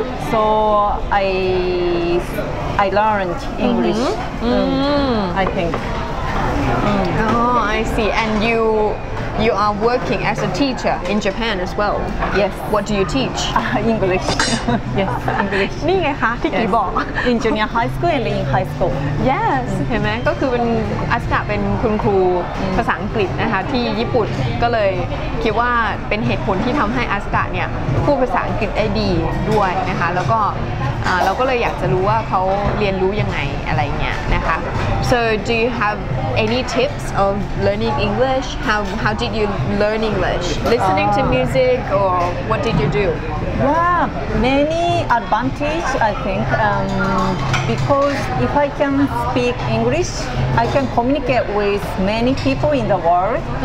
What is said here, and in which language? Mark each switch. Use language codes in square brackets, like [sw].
[en] So I learned English, I think. Oh, I see. And you are working as a teacher in Japan as well? Yes. What do you teach? English. Yes, English. [th] นี่ไงคะที่กี่บอก [en] In junior high school and in high school. Yes. [th] เห็นไหมก็คือเป็นอัศกะเป็นคุณครูภาษาอังกฤษนะคะที่ญี่ปุ่นก็เลยคิดว่าเป็นเหตุผลที่ทำให้อัศกะเนี่ยพูดภาษาอังกฤษได้ดีด้วยนะคะแล้วก็เราก็เลยอยากจะรู้ว่าเขาเรียนรู้ยังไงอะไรเงี้ยนะคะ [en] So do you haveAny tips of learning English? How did you learn English? Listening to music or what did you do? Yeah, many advantage I think because if I can speak English, I can communicate with many people in the world.